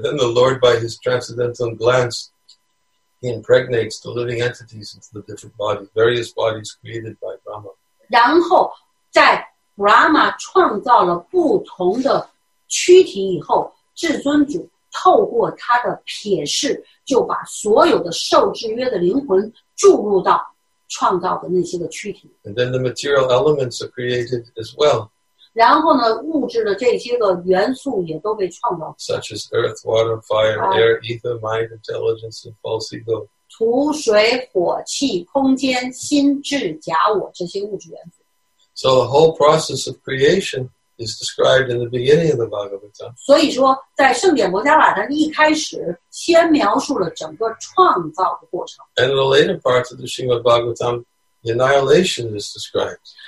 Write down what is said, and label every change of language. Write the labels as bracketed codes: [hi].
[en] then the Lord, by His transcendental glance, He impregnates the living entities into the different bodies, various bodies created by Brahma. [zh] 然后在 Brahma 创造了不同的躯体以后，至尊主透过他的瞥视，就把所有的受制约的灵魂注入到。 [en] And then the material elements are created as well. [zh] 然后呢，物质的这些个元素也都被创造。 [en] Such as earth, water, fire, air, ether, mind, intelligence, and false ego. [zh] 土、水、火、气、空间、心、智、假我这些物质元素。 [en] So the whole process of creation is described in the beginning of the Bhagavatam. [zh] 所以说，在圣典摩迦瓦坛一开始，先描述了整个创造的过程。 [en] And in the later parts of the Srimad Bhagavatam, the annihilation is described.